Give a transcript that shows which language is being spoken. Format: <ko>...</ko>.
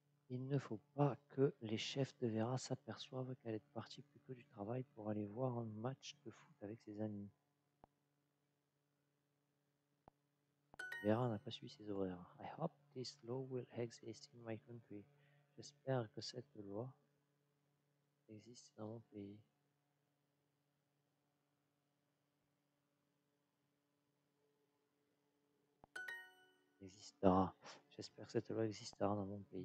<fr>Il ne faut pas que les chefs de Vera s'aperçoivent qu'elle est partie plutôt du travail pour aller voir un match de foot avec ses amis. Vera n'a pas suivi ses horaires.</fr> <en>I hope this law will exist in my country.</en> <fr>J'espère que cette loi existe dans mon pays. Existera. J'espère que cette loi existera dans mon pays.</fr>